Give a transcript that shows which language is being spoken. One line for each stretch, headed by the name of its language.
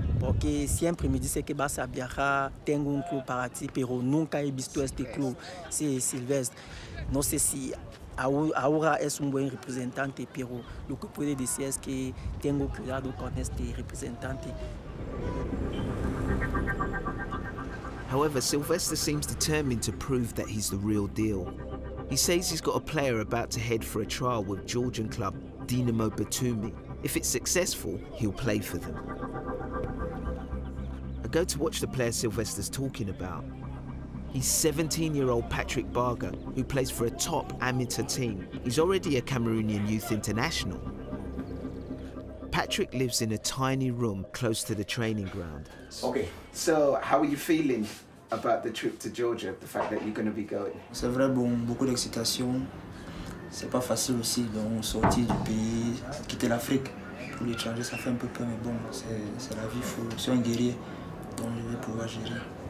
Spanish: Porque siempre me dice que vas a viajar, tengo un club para ti, pero nunca he visto este club, sí, Silvestre. No sé si ahora es un buen representante, pero lo que puede decir es que tengo cuidado con este representante.
English: However, Sylvester seems determined to prove that he's the real deal. He says he's got a player about to head for a trial with Georgian club Dinamo Batumi. If it's successful, he'll play for them. I go to watch the player Sylvester's talking about. He's 17-year-old Patrick Barger, who plays for a top amateur team. He's already a Cameroonian youth international. Patrick lives in a tiny room close to the training ground. Okay, so how are you feeling about the trip to Georgia, the fact that you're going to be going?
French: C'est vrai, bon, beaucoup d'excitation. C'est pas facile aussi, donc sortir du pays, quitter l'Afrique pour l'étranger, ça fait un peu peur, mais bon, c'est la vie, faut être un guerrier, donc je vais pouvoir gérer.